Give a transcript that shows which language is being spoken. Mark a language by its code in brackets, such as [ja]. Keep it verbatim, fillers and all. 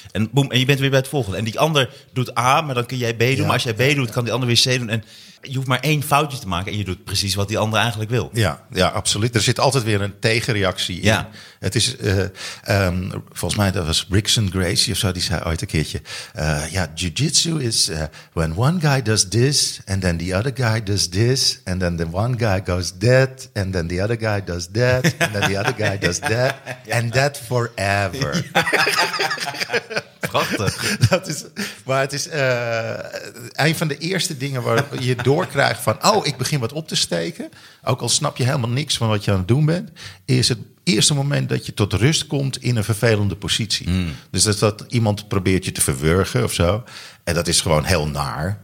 [nl] En boem, en je bent weer bij het volgende. En die ander doet A, maar dan kun jij B doen. Ja. Maar als jij B doet, kan die ander weer C doen. En je hoeft maar één foutje te maken en je doet precies wat die ander eigenlijk wil. Ja, ja, absoluut. Er zit altijd weer een tegenreactie in. Ja. Het is, uh, um, volgens mij, dat was Brixton Gracie of zo, die zei ooit een keertje... [en] Uh, ja, jiu-jitsu is uh, when one guy does this and then the other guy does this... and then the one guy goes that and then the other guy does that... and then the other guy does that and that forever. [nl] Ja. Prachtig. Dat is, maar het is uh, een van de eerste dingen waar je doorkrijgt van... oh, ik begin wat op te steken. Ook al snap je helemaal niks van wat je aan het doen bent... is het eerste moment dat je tot rust komt in een vervelende positie. Mm. Dus dat, dat iemand probeert je te verwurgen of zo. En dat is gewoon heel naar.